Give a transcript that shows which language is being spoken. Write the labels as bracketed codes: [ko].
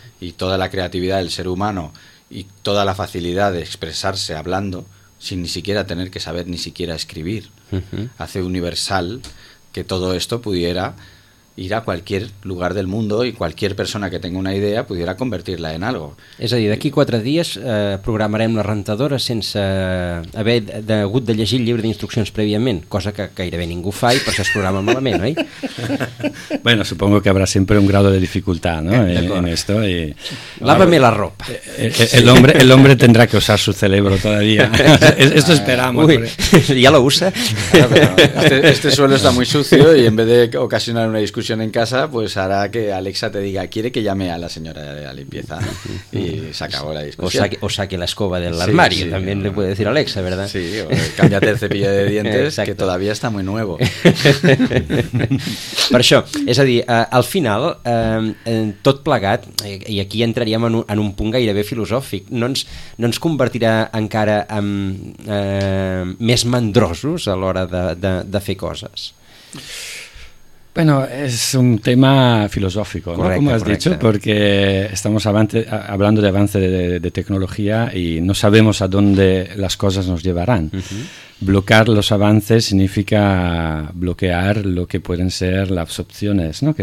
[es] Y toda la creatividad del ser humano y toda la facilidad de expresarse hablando sin ni siquiera tener que saber ni siquiera escribir hace universal que todo esto pudiera ir a cualquier lugar del mundo y cualquier persona que tenga una idea pudiera convertirla en algo. [ca] És a dir, d'aquí 4 dies programarem la rentadora sense haver hagut de llegir el llibre d'instruccions prèviament, cosa que gairebé ningú fa i per això es programa malament, oi? [es] Bueno, supongo que habrá siempre un grado de dificultad, ¿no? En esto. Y... Lávame la ropa. El hombre tendrá que usar su cerebro todavía. Esto esperamos. Uy, porque... ¿Ya lo usa? Este suelo está muy sucio y en vez de ocasionar una discusión en casa, pues hará que Alexa te diga, ¿quiere que llame a la señora de la limpieza? Y se acabó la discusión. O saque la escoba del armario, sí, también le puede decir Alexa, ¿verdad? Sí, o cámbiate el cepillo de dientes, que todavía está muy nuevo. [ca] Per això, és a dir, al final, tot plegat, i aquí entraríem en un punt gairebé filosòfic, no ens convertirà encara en més mandrosos a l'hora de fer coses? [es] Bueno, es un tema filosófico, ¿no? Correcto, como has correcto. Dicho, porque estamos hablando de avance de tecnología y no sabemos a dónde las cosas nos llevarán. Bloquear los avances significa bloquear lo que pueden ser las opciones, ¿no?